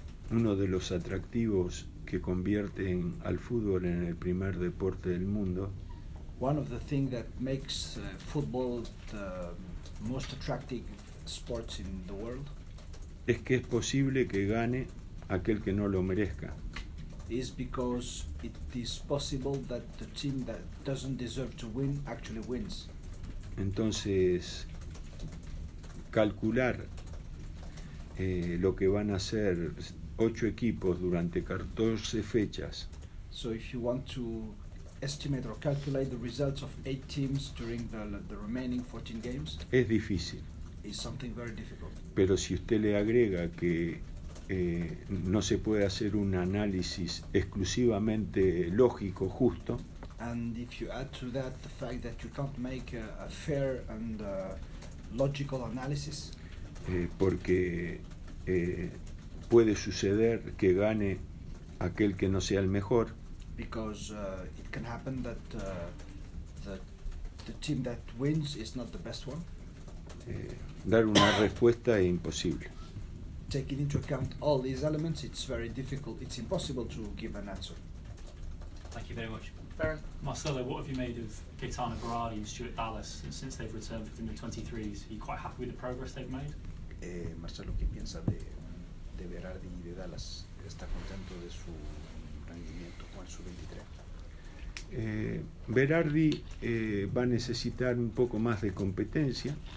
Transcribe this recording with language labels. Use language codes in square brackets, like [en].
[es] uno de los atractivos que convierten al fútbol en el primer deporte del mundo. [en] One of the things that makes football the most attractive sports in the world [es] es que es posible que gane aquel que no lo merezca. [en] Is because it is possible that the team that doesn't deserve to win actually wins. [es] Entonces, calcular lo que van a hacer 8 equipos durante 14 fechas. [en] So if you want to estimate or calculate the results of 8 teams during the remaining 14 games, [es] es difícil. [en] Is something very difficult. [es] Pero si usted le agrega que no se puede hacer un análisis exclusivamente lógico, justo. [en] And if you add to that the fact that you can't make a fair and logical analysis. [es] Puede suceder que gane aquel que no sea el mejor. [en] Because it can happen that the team that wins is not the best one. [es] Dar una respuesta es imposible. [en] Taking into account all these elements, it's very difficult. It's impossible to give an answer. Thank you very much. Baron. Marcelo, what have you made of Gaetano Berardi and Stuart Dallas since they've returned from the 23s? Are you quite happy with the progress they've made? [es] Marcelo, ¿qué piensa de de Berardi y de Dallas está contento de su rendimiento con el sub-23? Berardi va a necesitar un poco más de competencia.